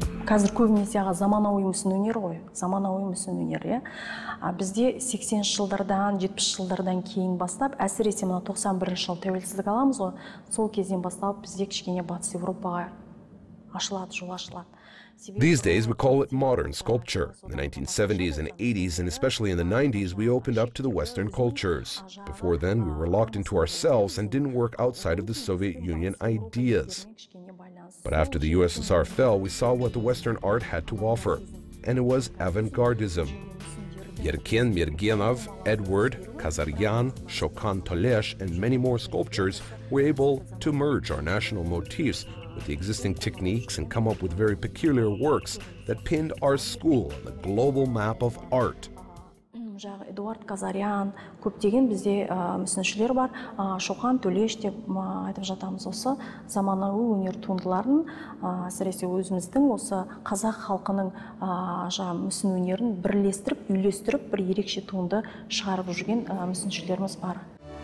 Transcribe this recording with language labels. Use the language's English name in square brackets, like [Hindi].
[Kazakh] Қазір көбінесеға заманауи мүсін өнер ғой, заманауи мүсін өнер, е? Бізде 80 жылдардан, 70 жылдардан кейін бастап, әсіресе мына 91 жыл тәуелсіздік аламыз ғой, сол кезден бастап бізде кішкене батыс Европаға ашылады, жол ашылады. [English] These days we call it modern sculpture. In the 1970s and 80s, and especially in the 90s, we opened up to the Western cultures. Before then, we were locked into ourselves and didn't work outside of the Soviet Union ideas. But after the USSR fell, we saw what the Western art had to offer, and it was avant-gardism. Yerken Mirgenov, Edward, Kazaryan, Shokan Tolesh, and many more sculptures were able to merge our national motifs with the existing techniques and come up with very peculiar works that pinned our school on the global map of art. [Kazakh] Эдуард Казарян, көптеген бізде мүсіншілер бар, Шоқан Төлеш деп айтып жатамыз осы заманауи өнер туындыларын, әсіресе өзіміздің осы қазақ халқының мүсін өнерін бірлестіріп, үйлестіріп, бір ерекше туынды шығарып жүрген мүсіншілеріміз бар.